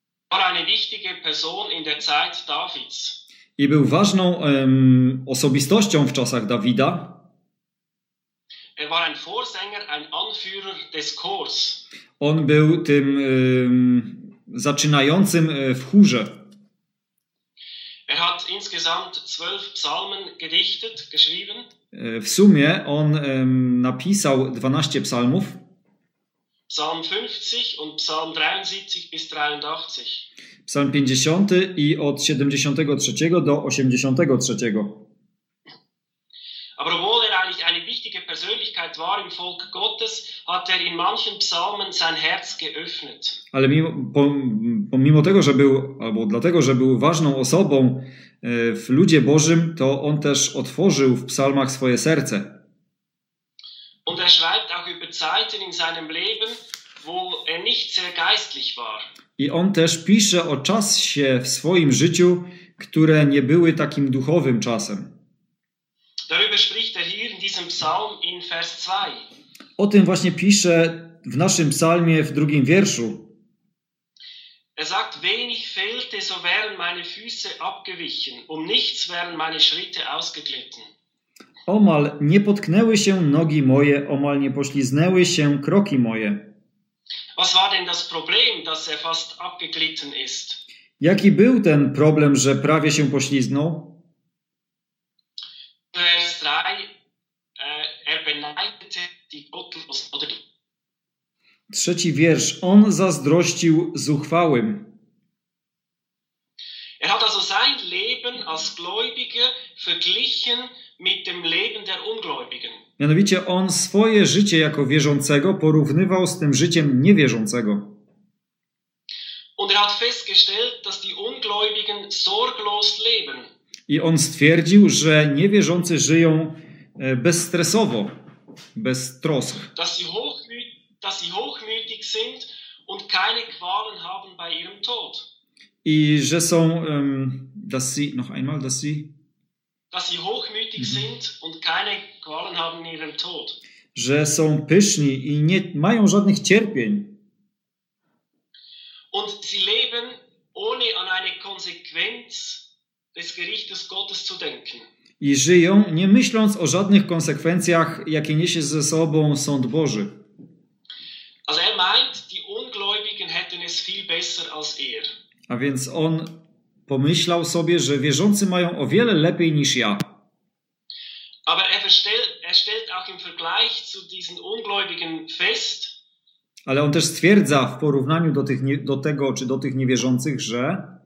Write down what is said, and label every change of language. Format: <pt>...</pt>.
<de>War eine wichtige Person in der Zeit Davids.</de> <pl>I był ważną osobistością w czasach Dawida.</pl> <de>Er war ein Vorsänger, ein Anführer des Chors.</de> <pl>On był tym zaczynającym w chórze.</pl> <de>Er hat insgesamt 12 psalmen gedichtet, geschrieben.</de> <pl>W sumie on napisał 12 psalmów.</pl> <de>Psalm 50 und Psalm 73 bis 83.</de> <pl>Psalm 50 i od 73 do 83.</pl> <de>Aber obwohl er eigentlich eine wichtige Persönlichkeit war im Volk Gottes, hat er in manchen Psalmen sein Herz geöffnet.</de> <pl>Ale pomimo tego, że był, albo dlatego, że był ważną osobą w ludzie Bożym, to on też otworzył w psalmach swoje serce.</pl> <de>Und er schreibt auch über Zeiten in seinem Leben, wo er nicht sehr geistlich war.</de> <pl>I on też pisze o czasie w swoim życiu, które nie były takim duchowym czasem.</pl> <de>Darüber spricht er hier in diesem Psalm in Vers 2.</de> <pl>O tym właśnie pisze w naszym psalmie w drugim wierszu.</pl> <de>Er sagt, wenig fehlte, so wären meine Füße abgewichen, um nichts wären meine Schritte ausgeglitten.</de> <pl>Omal nie potknęły się nogi moje, omal nie pośliznęły się kroki moje.</pl> <de>Was war denn das Problem, dass er fast abgeglitten ist?</de> <pl>Jaki był ten problem, że prawie się pośliznął?</pl> <de>Vers 3, er beneidete die Gottlosen.</de> <pl>Trzeci wiersz. On zazdrościł zuchwałym.</pl> <de>Er hat also sein Leben als Gläubiger verglichen mit dem Leben der Ungläubigen.</de> <pl>Mianowicie on swoje życie jako wierzącego porównywał z tym życiem niewierzącego.</pl> <de>Und er hat festgestellt, dass die Ungläubigen sorglos leben.</de> <pl>I on stwierdził, że niewierzący żyją bezstresowo, bez trosk.</pl> <de>Dass sie hochmütig sind und keine Qualen haben bei ihrem Tod.</de> <pl>I że są,</pl> <de>dass sie, noch einmal, dass sie... Dass sie hochmütig sind und keine Qualen haben in ihrem Tod.</de> <pl>Że są pyszni i nie mają żadnych cierpień.</pl> <de>Und sie leben ohne an eine Konsequenz des Gerichtes Gottes zu denken.</de> <pl>I żyją, nie myśląc o żadnych konsekwencjach, jakie niesie ze sobą Sąd Boży.</pl> <de>Also er meint, die Ungläubigen hätten es viel besser als er.</de> <pl>A więc on pomyślał sobie, że wierzący mają o wiele lepiej niż ja.</pl> <de>Aber er stellt auch im Vergleich zu diesen Ungläubigen fest.</de> <pl>Ale on też stwierdza w porównaniu do tych, do tego, czy do tych niewierzących, że</pl>